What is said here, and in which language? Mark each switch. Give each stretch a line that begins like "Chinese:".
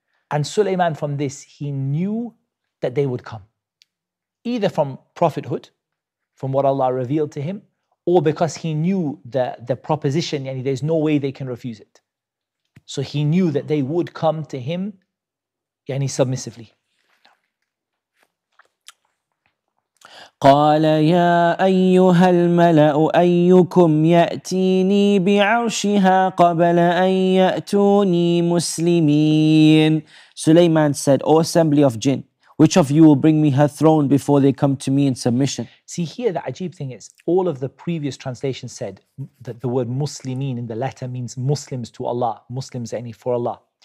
English: And Sulaiman from this, he knew that they would come. Either from prophethood, from what Allah revealed to him, or because he knew the proposition, and there's no way they can refuse it. So he knew that they would come to him, yani submissively.
Arabic: قال يا أيها الملأ أيكم يأتيني بعرشها قبل أن يأتوني مسلمين
English: Sulaiman said, O assembly of jinn, which of you will bring me her throne before they come to me in submission? See here, the ajib thing is, all of the previous translations said that the word muslimin in the letter means Muslims to Allah, Muslims any for Allah.